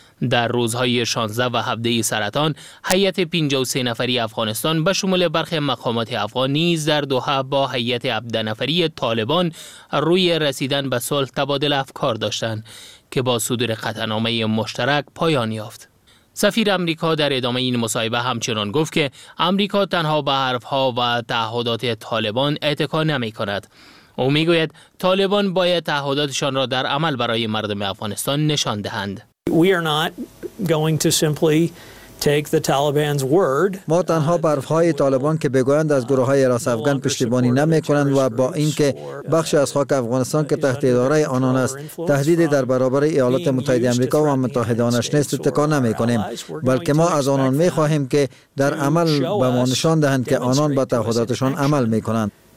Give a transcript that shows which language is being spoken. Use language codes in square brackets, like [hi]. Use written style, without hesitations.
[fa] در روزهای 16 و 17 سرطان، هیئت 53 نفری افغانستان به شمول برخی مقامات افغان نیز در دوحه با هیئت 17 نفری طالبان روی رسیدن به صلح تبادل افکار داشتند که با صدور قطعنامه مشترک پایان یافت. سفیر آمریکا در ادامه این مصاحبه همچنان گفت که آمریکا تنها به حرف‌ها و تعهدات طالبان اتکا نمی‌کند. او می‌گوید طالبان باید تعهداتشان را در عمل برای مردم افغانستان نشان دهند. [en] We are not going to simply take the Taliban's word. [fa] ما تنها برف‌های طالبان که بگویند از گروه‌های راس افغان پشتیبانی نمی‌کنند و با اینکه بخش از خاک افغانستان که تحت اداره آنان است تهدید در برابر ایالات متحده آمریکا و متحدانش نیست اتکا نمی‌کنیم، بلکه ما از آنان می‌خواهیم که در عمل به ما نشان دهند که آنان به تعهداتشان عمل می‌کنند.